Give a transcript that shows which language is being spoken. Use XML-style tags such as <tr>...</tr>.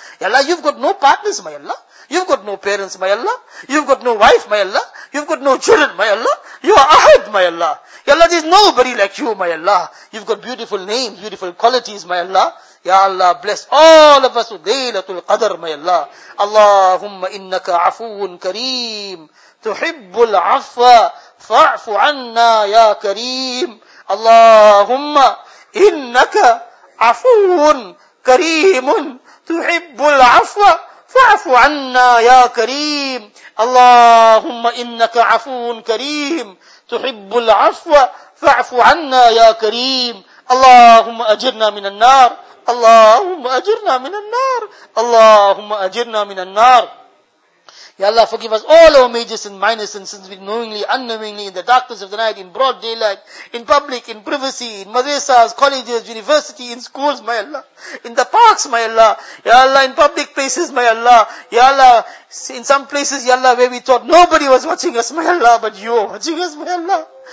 <en>Ya Allah, you've got no partners, my Allah. You've got no parents, my Allah. You've got no wife, my Allah. You've got no children, my Allah. You are Ahad, my Allah. Ya Allah, there is nobody like you, my Allah. You've got beautiful name, beautiful qualities, my Allah. Ya Allah, bless all of us with Laylatul Qadr, my Allah.</en> <ar>Allahumma innaka afuun kareem. تحب العفو فاعف عنا يا كريم اللهم إنك عفو كريم تحب العفو فاعف عنا يا كريم اللهم إنك عفو كريم تحب العفو فاعف عنا يا كريم اللهم أجرنا من النار اللهم أجرنا من النار اللهم أجرنا من النار.</ar> <en>Ya Allah, forgive us all our majors and minors and sins, knowingly, unknowingly, in the darkness of the night, in broad daylight, in public, in privacy, in madrasas, colleges, university, in schools, my Allah, in the parks, my Allah, Ya Allah, in public places, my Allah, Ya Allah, in some places, Ya Allah, where we thought nobody was watching us, my Allah, but you are watching us, my Allah.</en>